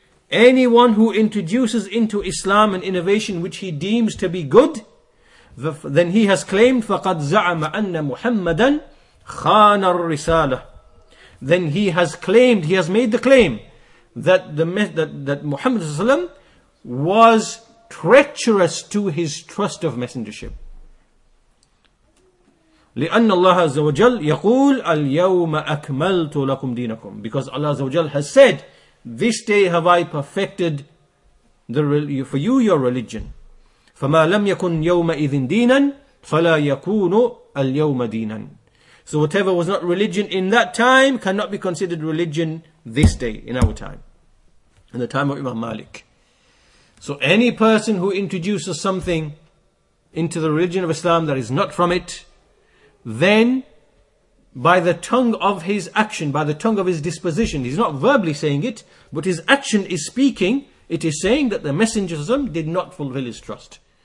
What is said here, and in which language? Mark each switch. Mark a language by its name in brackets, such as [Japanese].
[English] Anyone who introduces into Islam an innovation which he deems to be good, then he has claimed, [Arabic] "Faqad za'ama anna Muhammadan khana ar-risala." [English] Then he has claimed, he has made the claim that Muhammad was treacherous to his trust of messengership. [Arabic] لأن الله عز وجل يقول اليوم أكملت لكم دينكم. [English] Because Allah عز وجل has said, this day have I perfected for you your religion. [Arabic] فما لم يكن يوم إذن دينا فلا يكون اليوم دينا. [English] So whatever was not religion in that time cannot be considered religion this day, in our time, in the time of Imam Malik. So any person who introduces something into the religion of Islam that is not from it, then by the tongue of his action, by the tongue of his disposition, he's not verbally saying it, but his action is speaking, it is saying that the Messenger did not fulfill his trust.